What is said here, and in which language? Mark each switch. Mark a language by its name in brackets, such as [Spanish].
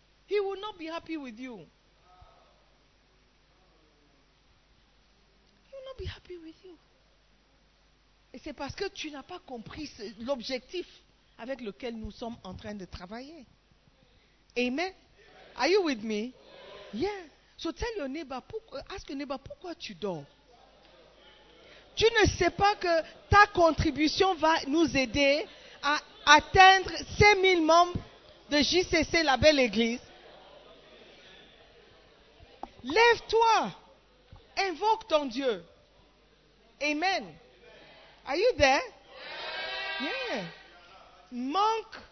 [English] He will not be happy with you. He will not be happy with you. [French] Et c'est parce que tu n'as pas compris l'objectif avec lequel nous sommes en train de travailler. [English] Amen. Are you with me? Yeah. So tell your neighbor, ask your neighbor, [French] pourquoi tu dors? Tu ne sais pas que ta contribution va nous aider à atteindre 5000 membres de JCC, la belle église. Lève-toi. Invoque ton Dieu. Amen. [English] Are you there? Yeah. [French] Manque